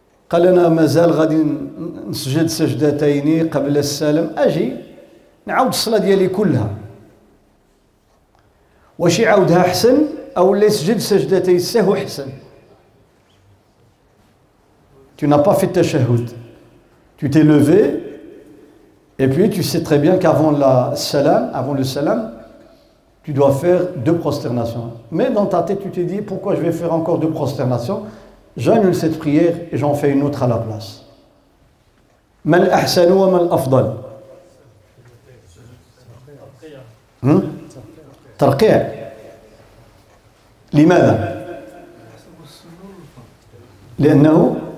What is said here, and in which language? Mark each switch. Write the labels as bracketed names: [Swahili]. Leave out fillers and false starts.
[Arabic] قال أنا مازال غادي نسجد سجدتين قبل السلام، أجي نعود الصلاة ديالي كلها، واش يعاودها حسن او اللي يسجد سجدتي السهو حسن؟ [French] Tu n'as pas fait [Arabic] التشهد. [French] Tu t'es levé et puis tu sais très bien qu'avant la salam, avant le salam, tu dois faire deux prosternations. Mais dans ta tête, tu t'es dit pourquoi je vais faire encore deux prosternations? J'annule cette prière et j'en fais une autre à la place. [Arabic] ما الاحسن وما الافضل؟ ترقيع. لماذا؟ لأنه